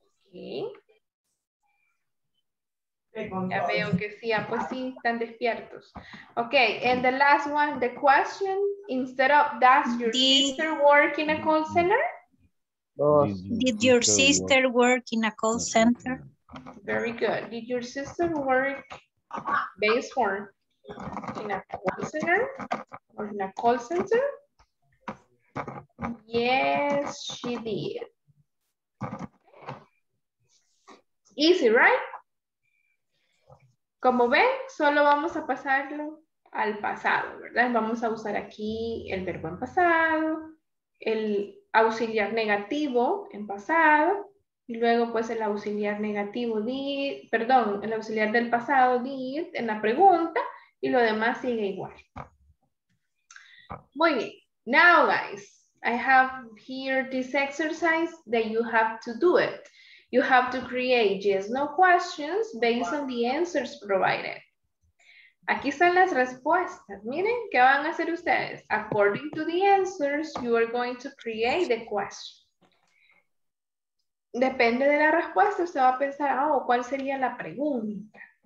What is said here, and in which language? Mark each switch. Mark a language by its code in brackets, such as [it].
[es] Okay. Ya veo que sí, pues sí, están despiertos. [en] Okay, and the last one, the question, instead of, does your sister work in a call center? Did your sister work in a call center? Very good. Did your sister work base form in a call center? Or in a call center? Yes, she did. Easy, right? [es] Como ven, solo vamos a pasarlo al pasado, ¿verdad? Vamos a usar aquí el verbo en pasado, el auxiliar negativo en pasado, y luego pues el auxiliar negativo did, perdón, el auxiliar del pasado did en la pregunta, y lo demás sigue igual. Muy bien. [en] Now guys, I have here this exercise that you have to do it. You have to create yes, no questions based on the answers provided. [es] Aquí están las respuestas. Miren, ¿qué van a hacer ustedes? [en] According to the answers, you are going to create the question. [es] Depende de la respuesta, usted va a pensar, oh, ¿cuál sería la pregunta?